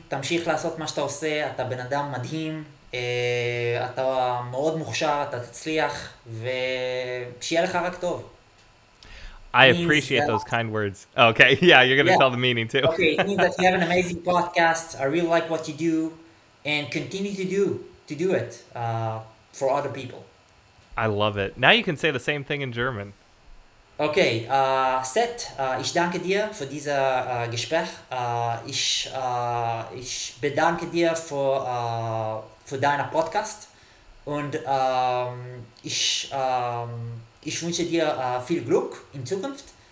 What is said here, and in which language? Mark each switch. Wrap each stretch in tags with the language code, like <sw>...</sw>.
<he>תמשיך לעשות מה שאתה עושה. אתה בן אדם מדהים. אתה מאוד מוכשר, אתה תצליח, ושיהיה לך רק טוב.</he> <en>I appreciate those kind words. Okay, yeah, you're going to tell the meaning too. Okay, it means that you have an amazing podcast. I really like what you do. and continue to do it for other people. I love it. Now you can say the same thing in German.</en> <de>Okay, Seth, ich danke dir für dieses Gespräch. Ich bedanke dir für deinen Podcast. Und ich wünsche dir viel Glück in Zukunft.</de>